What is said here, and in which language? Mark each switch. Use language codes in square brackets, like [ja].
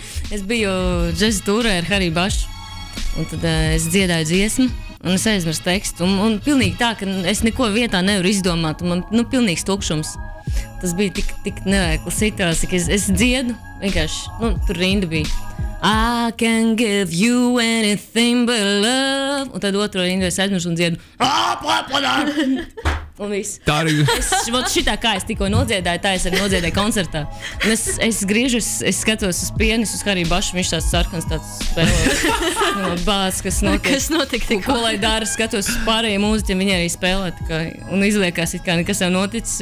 [lv] Es biju džezi tūrē ar Harry Bašu, un tad es dziedāju dziesmu. Un es aizmirstu tekstu, un pilnīgi tā, ka es neko vietā nevaru izdomāt, un man, nu, pilnīgs tukšums. Tas bija tik nevēkla situācija, ka es dziedu, vienkārši, nu, tur rinda bija. [en] I can give you anything but love. [lv] Un tad otro rindu es aizmirstu un dziedu. Un viss. Tā arī. Šitā kā es tikko nodziedāju, tā es arī nodziedāju koncertā. Un es griežu, es skatos uz pienis, uz Harry Bašu, viņš tāds sarkans, tāds spēlē. Bāds, kas notiek. Kas notiek tikko. Ko lai dara, skatos uz pārējiem mūziķiem, viņi arī spēlē. Kā, un izliekās, it kā nekas jau noticis.